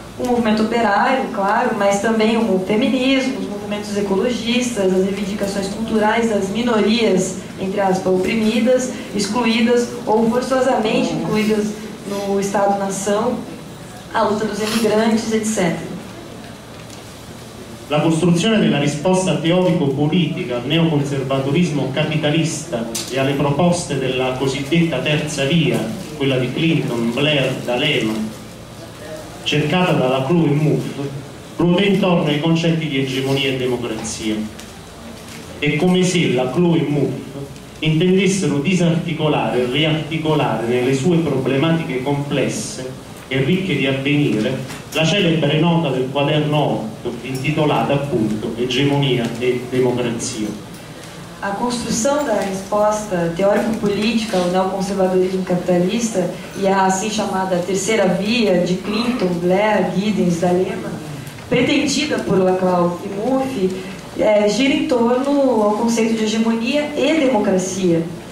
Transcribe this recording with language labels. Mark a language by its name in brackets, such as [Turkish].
[Portuguese] O movimento operário, claro, mas também o feminismo, os movimentos ecologistas, as reivindicações culturais das minorias, entre aspas, oprimidas, excluídas ou forçosamente incluídas no Estado-nação, a luta dos imigrantes, etc. [Italian] La costruzione della risposta teorico-politica al neoconservatorismo capitalista e alle proposte della cosiddetta terza via, quella di Clinton, Blair, D'Alema, cercata dalla Clue e Move, ruota intorno ai concetti di egemonia e democrazia. È come se la Clue e Move intendessero disarticolare e riarticolare nelle sue problematiche complesse e ricche di avvenire la celebre nota del quaderno 8 intitolata appunto Egemonia e democrazia. [Portuguese] A construção da resposta teórico-política ao neoconservadorismo capitalista e à assim chamada terceira via de Clinton, Blair, Giddens, D'Alema, pretendida por Laclau e Murphy, gira em torno ao conceito de hegemonia e democracia.